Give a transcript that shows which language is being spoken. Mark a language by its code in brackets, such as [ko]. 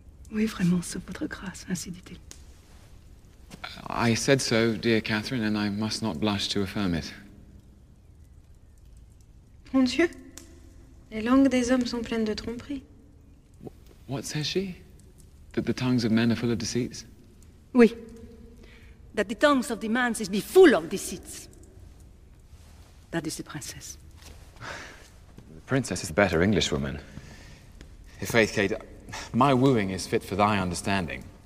[fr] Oui, vraiment, sauf votre grâce, ainsi dit-il. [en] I said so, dear Catherine, and I must not blush to affirm it. [fr] Mon Dieu, les langues des hommes sont pleines de tromperies. [en] What says she? That the tongues of men are full of deceits? [fr] Oui. [en] That the tongues of the man is be full of deceits. That is the princess. The princess is a better Englishwoman. If faith, Kate, my wooing is fit for thy understanding.